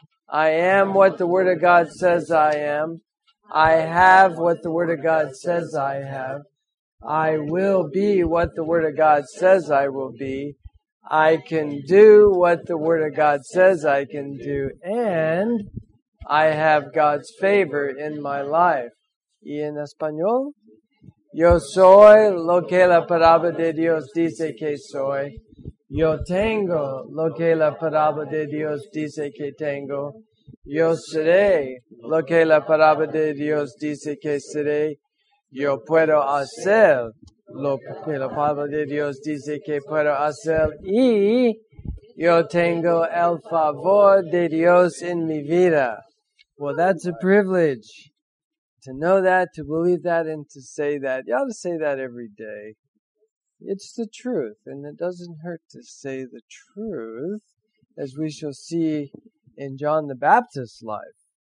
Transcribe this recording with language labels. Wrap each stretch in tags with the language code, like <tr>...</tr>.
<en>I am what the Word of God says I am. I have what the Word of God says I have. I will be what the Word of God says I will be. I can do what the Word of God says I can do. And I have God's favor in my life.</en> <es>¿Y en español? Yo soy lo que la palabra de Dios dice que soy. Yo tengo lo que la palabra de Dios dice que tengo. Yo seré lo que la palabra de Dios dice que seré. Yo puedo hacer lo que la palabra de Dios dice que puedo hacer. Y yo tengo el favor de Dios en mi vida.</es> <en>Well, that's a privilege to know that, to believe that, and to say that. You ought to say that every day. It's the truth, and it doesn't hurt to say the truth, as we shall see in John the Baptist's life.</en>